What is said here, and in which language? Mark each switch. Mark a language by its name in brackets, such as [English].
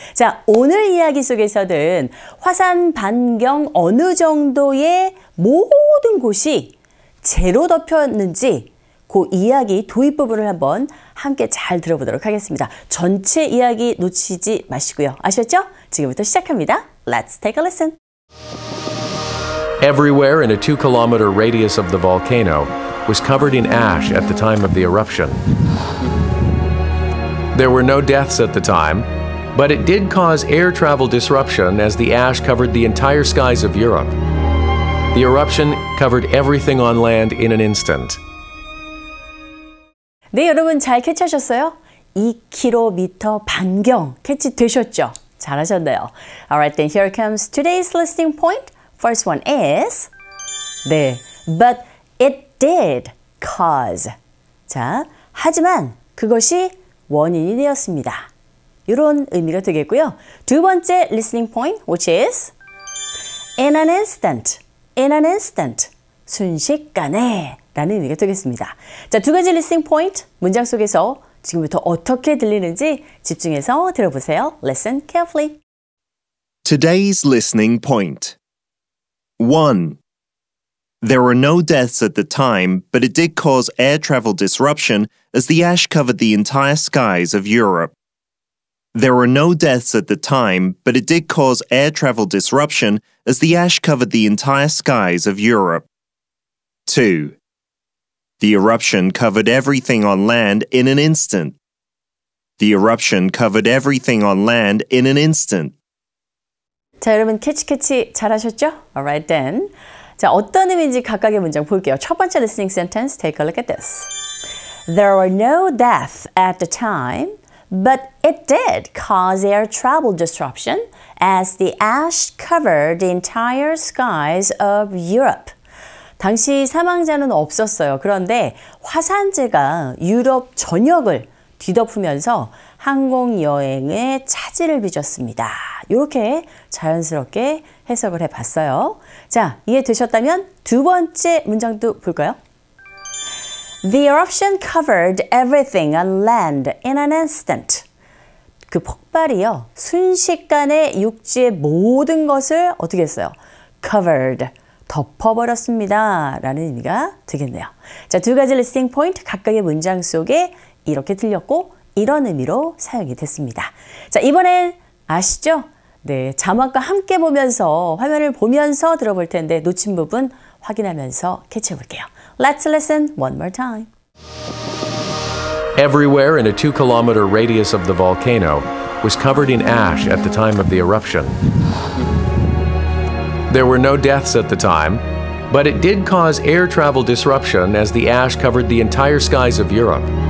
[Korean] 자, 오늘 이야기 속에서는 화산 반경 어느 정도의 모든 곳이 제로 덮였는지 그 이야기 도입 부분을 한번 함께 잘 들어보도록 하겠습니다. 전체 이야기 놓치지 마시고요. 아셨죠? 지금부터 시작합니다. [English] Let's take a listen. Everywhere in a 2-kilometer radius of the volcano was covered in ash at the time of the eruption. There were no deaths at the time, but it did cause air travel disruption as the ash covered the entire skies of Europe. The eruption covered everything on land in an instant. [Korean] 네, 여러분 잘 캐치하셨어요? 2km 반경 캐치되셨죠? 잘하셨네요. [English] Alright, then here comes today's listening point. First one is, 네, but it did cause. [Korean] 자, 하지만 그것이 원인이 되었습니다. 이런 의미가 되겠고요. 두 번째 [English] listening point, which is, in an instant, [Korean] in an instant, 순식간에 라는 의미가 되겠습니다. 자, 두 가지 listening point, 문장 속에서 지금부터 어떻게 들리는지 집중해서 들어보세요. [English] Listen carefully. Today's listening point. 1. There were no deaths at the time, but it did cause air travel disruption as the ash covered the entire skies of Europe. There were no deaths at the time, but it did cause air travel disruption as the ash covered the entire skies of Europe. 2. The eruption covered everything on land in an instant. The eruption covered everything on land in an instant. [Korean] 자, 여러분 캐치 잘하셨죠? [English] Alright then. [Korean] 자, 어떤 의미인지 각각의 문장 볼게요. 첫 번째 [English] listening sentence, take a look at this. There were no deaths at the time, but it did cause air travel disruption as the ash covered the entire skies of Europe. [Korean] 당시 사망자는 없었어요. 그런데 화산재가 유럽 전역을 뒤덮으면서 항공 여행에 차질을 빚었습니다. 이렇게 자연스럽게 해석을 해봤어요. 자, 이해되셨다면 두 번째 문장도 볼까요? [English] The eruption covered everything on land in an instant. [Korean] 그 폭발이요. 순식간에 육지의 모든 것을 어떻게 했어요? Covered, 덮어버렸습니다. 라는 의미가 되겠네요. 자, 두 가지 listening point 각각의 문장 속에 이렇게 들렸고 이런 의미로 사용이 됐습니다. 자, 이번엔 아시죠? 네, 자막과 함께 보면서 화면을 보면서 들어볼 텐데 놓친 부분 확인하면서 캐치해 볼게요. [English] Let's listen one more time. Everywhere in a 2-kilometer radius of the volcano was covered in ash at the time of the eruption. There were no deaths at the time, but it did cause air travel disruption as the ash covered the entire skies of Europe.